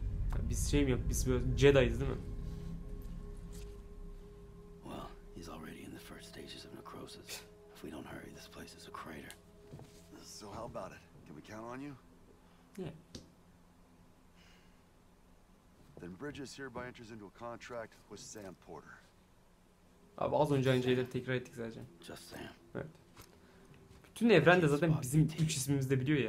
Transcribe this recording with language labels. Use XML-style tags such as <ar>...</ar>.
<tr>Ya biz şey mi yok, biz böyle Jedi'yiz değil mi?</tr> <en>Well, he's already in the first stages of necrosis. If we don't hurry, this place is a crater. So how about it? Can we count on you? Yeah. Then Bridges hereby enters into a contract with Sam Porter.</en> <tr>Abi az önce aynı şeyleri tekrar ettik zaten.</tr> <en>Just Sam.</en> <tr>Evet. Bütün evren de zaten bizim üç ismimizi de biliyor ya.</tr>